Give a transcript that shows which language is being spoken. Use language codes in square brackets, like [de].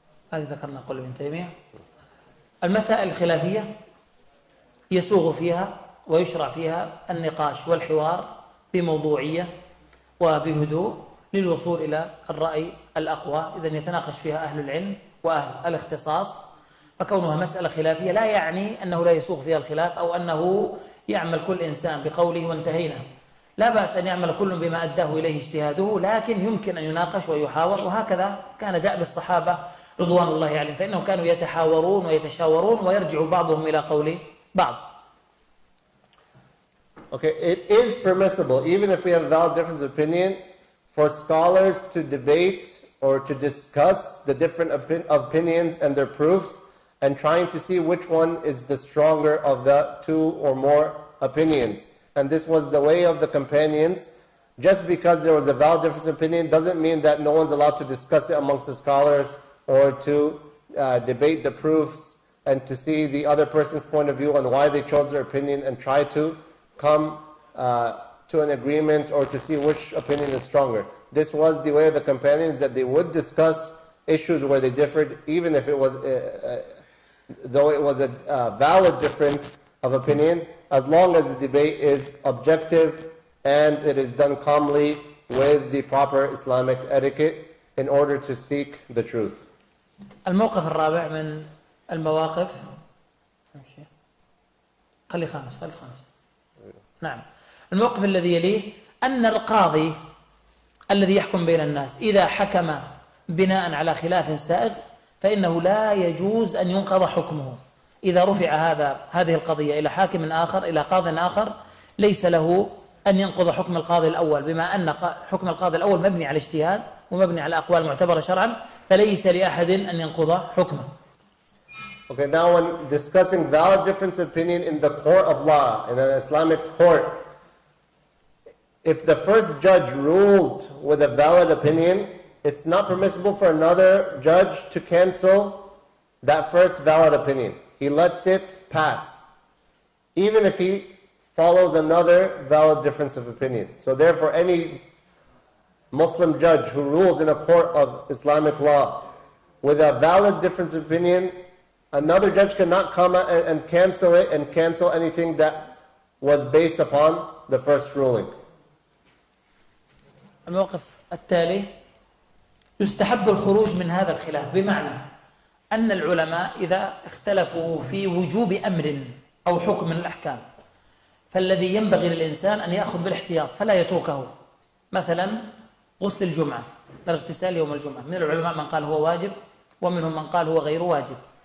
[ar] هذه ذكرنا قول ابن تيمية المسائل الخلافية يسوغ فيها ويشرع فيها النقاش والحوار بموضوعية وبهدوء للوصول إلى الرأي الأقوى إذن يتناقش فيها أهل العلم وأهل الاختصاص فكونها مسألة خلافية لا يعني أنه لا يسوغ فيها الخلاف أو أنه يعمل كل إنسان بقوله وانتهينا لا بأس أن يعمل كل بما أداه إليه اجتهاده لكن يمكن أن يناقش ويحاور وهكذا كان دأب الصحابة رضوان الله عليهم فإنهم كانوا يتحاورون ويتشاورون ويرجع بعضهم إلى قول بعض. [en] Okay, it is permissible, even if we have a valid difference of opinion, for scholars to debate or to discuss the different opinions and their proofs and trying to see which one is the stronger of the two or more opinions. And this was the way of the companions. Just because there was a valid difference of opinion doesn't mean that no one's allowed to discuss it amongst the scholars or to debate the proofs and to see the other person's point of view on why they chose their opinion and try to come to an agreement or to see which opinion is stronger. This was the way of the companions that they would discuss issues where they differed, even if it was, though it was a valid difference of opinion, as long as the debate is objective and it is done calmly with the proper Islamic etiquette in order to seek the truth. [ar] الموقف الرابع من المواقف قال لي خامس قال لي خامس نعم الموقف الذي يليه أن القاضي الذي يحكم بين الناس إذا حكم بناء على خلاف سائغ فإنه لا يجوز أن ينقض حكمه إذا رفع هذه القضية إلى حاكم آخر إلى قاض آخر ليس له أن ينقض حكم القاضي الأول بما أن حكم القاضي الأول مبني على اجتهاد ومبني على أقوال معتبرة شرعا فليس لأحد أن ينقض حكمه. [en] Okay, now when discussing valid difference of opinion in the court of law, in an Islamic court, if the first judge ruled with a valid opinion, it's not permissible for another judge to cancel that first valid opinion. He lets it pass. Even if he follows another valid difference of opinion. So therefore, any Muslim judge who rules in a court of Islamic law with a valid difference of opinion, another judge cannot come and cancel it and cancel anything that was based upon the first ruling. [ar] الموقف التالي يستحب الخروج من هذا الخلاف بمعنى أن العلماء إذا اختلفوا في وجوب أمر أو حكم من الأحكام فالذي ينبغي للإنسان أن يأخذ بالاحتياط فلا يتركه مثلا غسل الجمعة الاغتسال يوم الجمعة من العلماء من قال هو واجب ومنهم من قال هو غير واجب